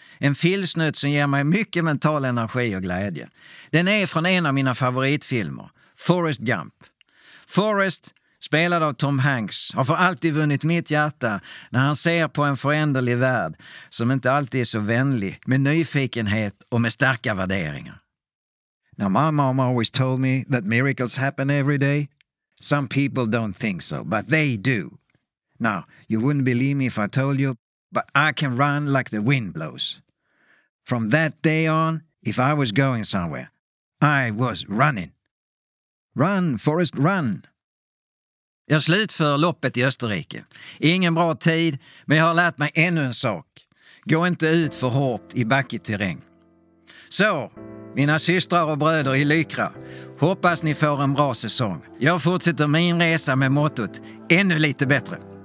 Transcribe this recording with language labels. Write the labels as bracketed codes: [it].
[sv] En filmsnutt som ger mig mycket mental energi och glädje. Den är från en av mina favoritfilmer, Forrest Gump. Forrest, spelad av Tom Hanks, har för alltid vunnit mitt hjärta när han ser på en föränderlig värld som inte alltid är så vänlig, med nyfikenhet och med starka värderingar. [en] Now my mom always told me that miracles happen every day. Some people don't think so, but they do. Now, you wouldn't believe me if I told you, but I can run like the wind blows. From that day on, if I was going somewhere, I was running. Run, Forrest, run. [sv] Jag slutför loppet i Österrike. Ingen bra tid, men jag har lärt mig ännu en sak. Gå inte ut för hårt i backig terräng. Så, mina systrar och bröder i Lycra, hoppas ni får en bra säsong. Jag fortsätter min resa med mottot ännu lite bättre.